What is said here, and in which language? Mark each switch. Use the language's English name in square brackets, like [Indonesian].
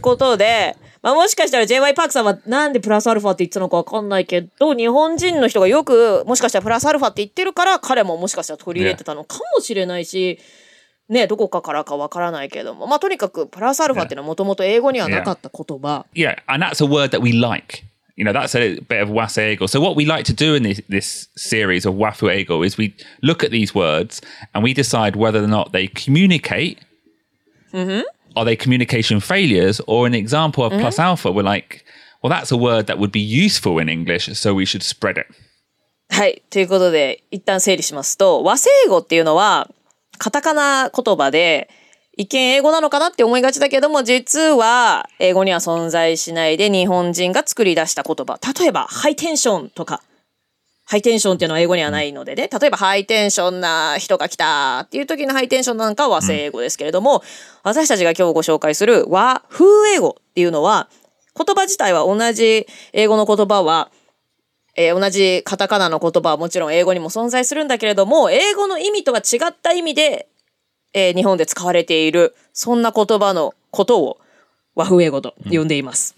[Japanese] ということで、まあ、もしかしたら J.Y. Park さんはなんでプラスアルファって言ってたのか分かんないけど、日本人の人がよくもしかしたらプラスアルファって言ってるから、彼ももしかしたら取り入れてたのかもしれないし、ね、どこかからか分からないけども、まあ、とにかくプラスアルファっていうのはもともと英語にはなかった言葉。 [English] Yeah. Yeah, and that's a word that we like. You know, that's a bit of Waseigo. So what we like to do in this series of Wafuego is we look at these words and we decide whether or not they communicate. Mm-hmm. Are they communication failures? Or an example of plus alpha, we're like, well, that's a word that would be useful in English, so we should spread it. [Japanese] はい、ということで一旦整理しますと、和製語っていうのはカタカナ言葉で、一見英語なのかなって思いがちだけども、実は英語には存在しないで日本人が作り出した言葉。例えばハイテンションとか、ハイテンションっていうのは英語にはないのでね、例えばハイテンションな人が来たっていう時のハイテンションなんかは和製英語ですけれども、私たちが今日ご紹介する和風英語っていうのは、言葉自体は同じ英語の言葉は、同じカタカナの言葉はもちろん英語にも存在するんだけれども、英語の意味とは違った意味で、日本で使われている、そんな言葉のことを和風英語と呼んでいます。